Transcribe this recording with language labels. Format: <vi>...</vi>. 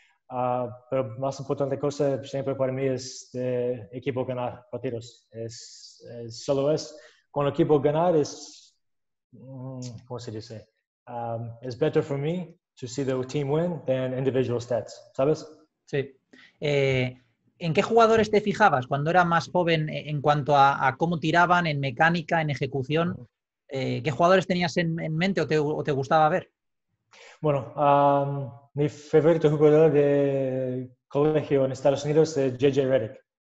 <es>Pero más importante cosa siempre para mí es de equipo ganar partidos. Es solo es con el equipo ganar es ¿cómo se dice?</es> <en>It's better for me to see the team win than individual stats,</en> <es>¿sabes? Sí. ¿En qué jugadores te fijabas cuando era más joven en cuanto a cómo tiraban, en mecánica, en ejecución? ¿Qué jugadores tenías en mente o te gustaba ver? Bueno, mi favorito jugador de colegio en Estados Unidos es J.J. Redick.</es>